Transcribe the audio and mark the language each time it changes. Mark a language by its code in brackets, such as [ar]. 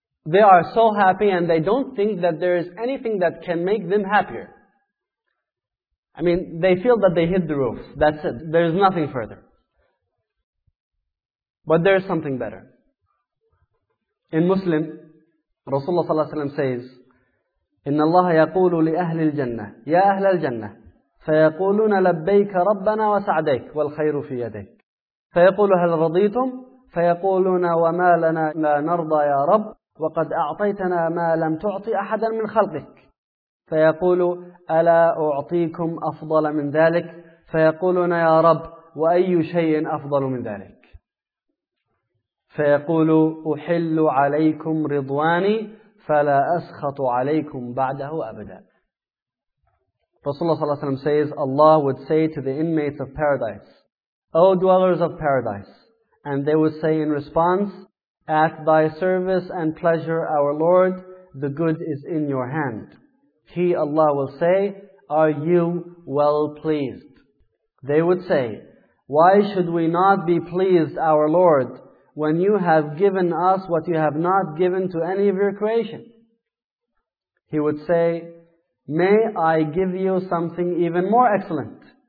[en] They are so happy and they don't think that there is anything that can make them happier. I mean, they feel that they hit the roof. That's it. There is nothing further. But there is something better. In Muslim, Rasulullah sallallahu alayhi wa sallam says, [ar] إن الله يقول لأهل الجنة يا أهل الجنة فيقولون لبيك ربنا وسعديك والخير في يديك فيقول هل رضيتم فيقولون وما لنا لا نرضى يا رب وقد أعطيتنا ما لم تعطي أحدا من خلقك فيقول ألا أعطيكم أفضل من ذلك فيقولون يا رب وأي شيء أفضل من ذلك فيقول أحل عليكم رضواني فَلَا أَسْخَطُ عَلَيْكُمْ بَعْدَهُ أَبْدًا [en] Rasulullah ﷺ says, Allah would say to the inmates of paradise, O dwellers of paradise, and they would say in response, At thy service and pleasure, our Lord, the good is in your hand. He, Allah, will say, Are you well pleased? They would say, Why should we not be pleased, our Lord, when you have given us what you have not given to any of your creation? He would say, May I give you something even more excellent?